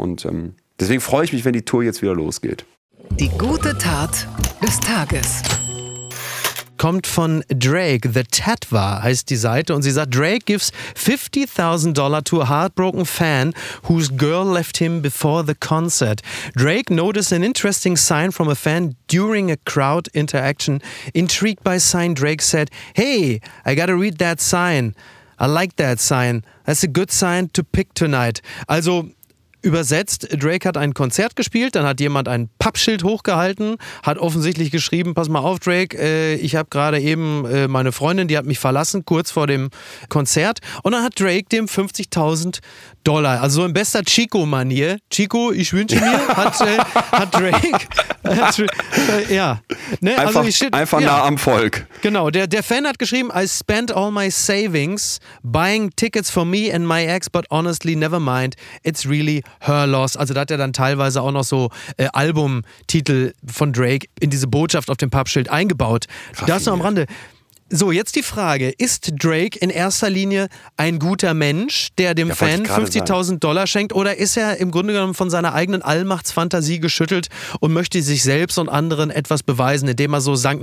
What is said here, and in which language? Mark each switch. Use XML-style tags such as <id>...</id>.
<de>Und deswegen freue ich mich, wenn die Tour jetzt wieder losgeht. Die gute Tat des Tages. Kommt von Drake, The Tatwa heißt die Seite, und sie sagt,</de> <en>Drake gives $50,000 to a heartbroken fan whose girl left him before the concert. Drake noticed an interesting sign from a fan during a crowd interaction. Intrigued by sign, Drake said, hey, I gotta read that sign. I like that sign. That's a good sign to pick tonight.</en> <de>Also übersetzt, Drake hat ein Konzert gespielt, dann hat jemand ein Pappschild hochgehalten, hat offensichtlich geschrieben, pass mal auf Drake, ich habe gerade eben meine Freundin, die hat mich verlassen, kurz vor dem Konzert. Und dann hat Drake dem $50,000, also so in bester Chico-Manier, Chico, ich wünsche mir, hat Drake, ja. Ne? Also einfach nah am Volk. Genau, der Fan hat geschrieben,</de> <en>I spent all my savings buying tickets for me and my ex, but honestly, never mind, it's really Her Loss.</en> <de>Also da hat er dann teilweise auch noch so Albumtitel von Drake in diese Botschaft auf dem Pappschild eingebaut. Raffiniert. Das noch am Rande. So, jetzt die Frage. Ist Drake in erster Linie ein guter Mensch, der dem Fan $50,000 schenkt, oder ist er im Grunde genommen von seiner eigenen Allmachtsfantasie geschüttelt und möchte sich selbst und anderen etwas beweisen, indem er so St.</de>